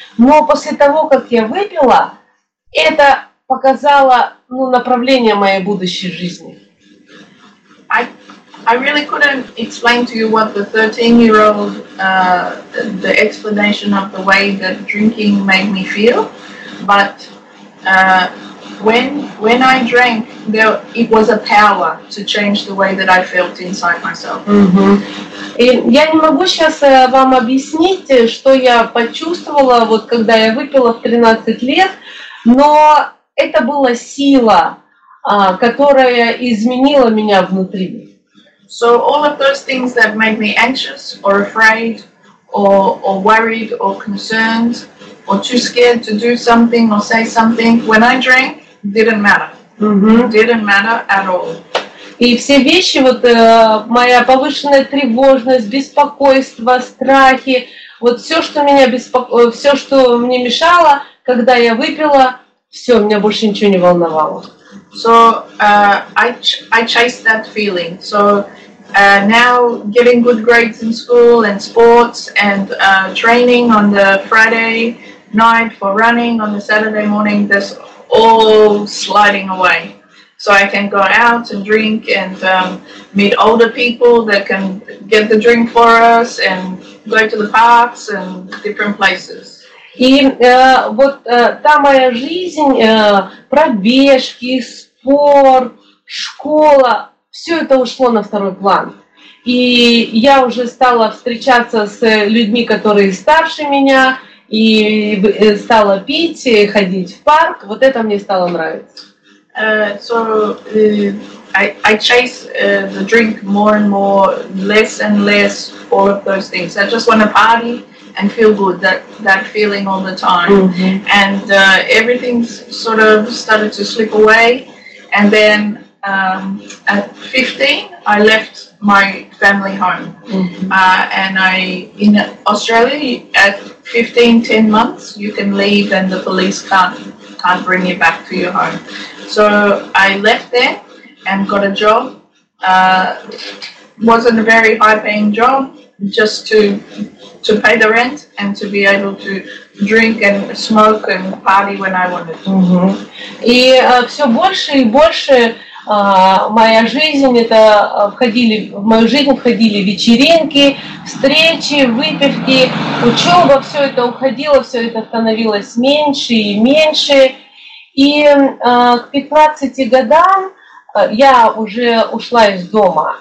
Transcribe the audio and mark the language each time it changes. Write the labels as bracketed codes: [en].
[ru] Но после того, как я выпила, это показало направление моей будущей жизни. [en] I really couldn't explain to you what the 13-year-old the explanation of the way that drinking made me feel, but when I drank, there it was a power to change the way that I felt inside myself. [ru] Я не могу сейчас вам объяснить, что я почувствовала вот когда я выпила в 13 лет, но это была сила, которая изменила меня внутри. [en] So all of those things that made me anxious or afraid or worried or concerned or too scared to do something or say something, when I drank, didn't matter. Mm-hmm. Didn't matter at all. [ru] И все вещи, вот моя повышенная тревожность, беспокойство, страхи, вот все, что меня беспокоило, все, что мне мешало, когда я выпила, все, меня больше ничего не волновало. [en] So I chased that feeling. So now getting good grades in school and sports and training on the Friday night for running on the Saturday morning, that's all sliding away. So I can go out and drink and meet older people that can get the drink for us and go to the parks and different places. [ru] И вот та моя жизнь, пробежки, спорт, школа, все это ушло на второй план. И я уже стала встречаться с людьми, которые старше меня, и стала пить, и ходить в парк. Вот это мне стало нравиться. [en] So I chase the drink more and more, less and less, all of those things. I just want to party and feel good, that feeling all the time. Mm-hmm. And everything sort of started to slip away. And then at 15, I left my family home. Mm-hmm. And in Australia, at 15, 10 months, you can leave and the police can't bring you back to your home. So I left there and got a job. Wasn't a very high-paying job, just to pay the rent and to be able to drink and smoke and party when I wanted. Mm-hmm. [ru] И все больше и больше моя жизнь входили вечеринки, встречи, выпивки, учеба, все это уходило, все это становилось меньше и меньше. И к 15 годам я уже ушла из дома.